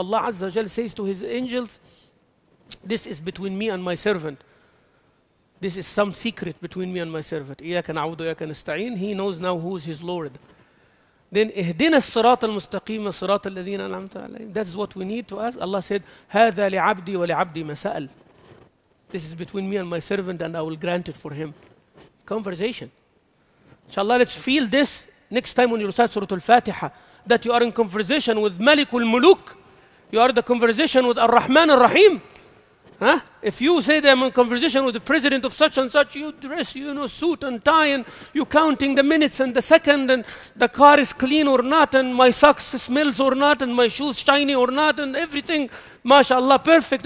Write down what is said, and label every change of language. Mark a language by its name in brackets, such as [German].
[English] Allah Azza wa Jal says to his angels, this is between me and my servant. This is some secret between me and my servant. [Arabic] إِيَّاكَ نَعُودُ وَإِيَّاكَ نَسْتَعِينَ. [English] He knows now who is his Lord. Then, [Arabic] اِهْدِنَا الصِّرَاطَ الْمُسْتَقِيمَ صِرَاطَ الَّذِينَ أَنْعَمْتَ عَلَيْهِمْ. [English] That is what we need to ask. Allah said, [Arabic] هَذَا لِعَبْدِي وَلِعَبْدِي مَسَأَلْ. [English] This is between me and my servant and I will grant it for him. Conversation. Inshallah, let's feel this next time when you recite Surah Al-Fatiha, that you are in conversation with Malik al-Muluk. You are in the conversation with Ar-Rahman al-Rahim. Huh? If you say that I'm in conversation with the president of such and such, you dress, you know, suit and tie, and you're counting the minutes and the second, and the car is clean or not, and my socks smells or not, and my shoes shiny or not, and everything, mashallah, perfect.